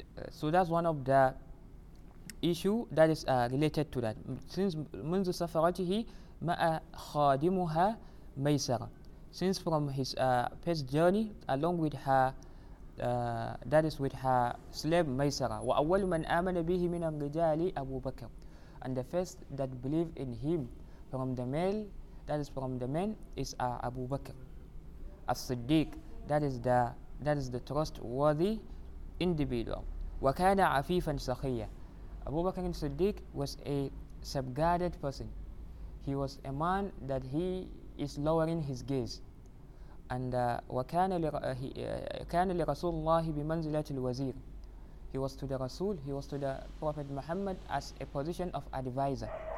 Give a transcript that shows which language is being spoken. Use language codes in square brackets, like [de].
[en] So that's one of the issue that is related to that. [ar] Since منذ سفرته مع خادمها ميسرة. [en] Since from his past journey along with her, that is with her slave ميسرة. [ar] وأول من آمن به من الرجال أبو بكر. [en] And the first that believe in him from the male, that is from the men, is Abu Bakr. As-Siddiq, that is the trustworthy individual. [ar] وكان عفيفا سخيا. [en] Abu Bakr al-Siddiq was a subguarded person. He was a man that he is lowering his gaze. [ar] And وكان لرسول الله بمنزلة الوزير. [en] He was to the Rasul, he was to the Prophet Muhammad as a position of advisor.